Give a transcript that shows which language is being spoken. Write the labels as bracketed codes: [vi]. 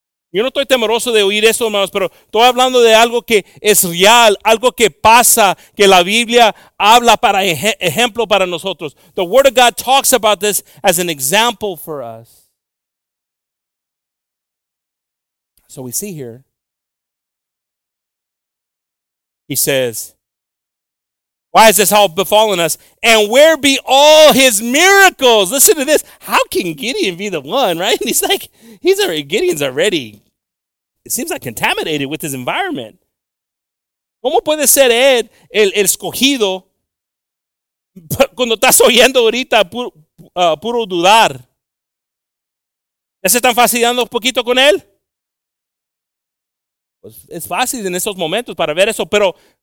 [es] Yo no estoy temeroso de oír eso, hermanos, pero estoy hablando de algo que es real, algo que pasa, que la Biblia habla para ejemplo para nosotros. [en] The Word of God talks about this as an example for us. So we see here, he says, why has this all befallen us? And where be all his miracles? Listen to this. How can Gideon be the one, right? And he's like, Gideon's already, it seems like, contaminated with his environment. [es] ¿Cómo puede ser él el escogido cuando estás oyendo ahorita puro dudar? ¿Ya se están fastidiando un poquito con él? Pues es fácil en esos momentos para ver eso, pero